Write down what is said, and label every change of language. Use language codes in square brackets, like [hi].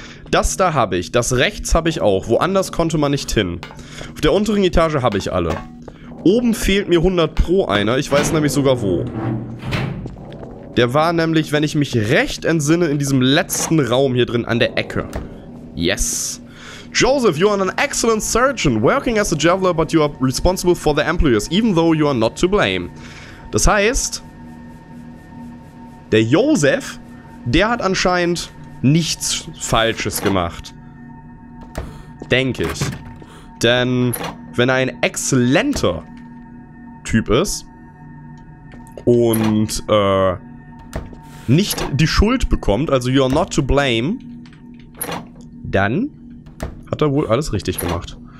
[de] Das da habe ich, das rechts habe ich auch. Woanders konnte man nicht hin. Auf der unteren Etage habe ich alle. Oben fehlt mir 100 pro einer. Ich weiß nämlich sogar wo. Der war nämlich, wenn ich mich recht entsinne, in diesem letzten Raum hier drin an der Ecke. [en] Yes. Joseph, you are an excellent surgeon, working as a javeler, but you are responsible for the employees, even though you are not to blame. [de] Das heißt, der Joseph, der hat anscheinend nichts Falsches gemacht. Denke ich. Denn wenn er ein exzellenter Typ ist und nicht die Schuld bekommt, also [en] you are not to blame, [de] dann hat er wohl alles richtig gemacht.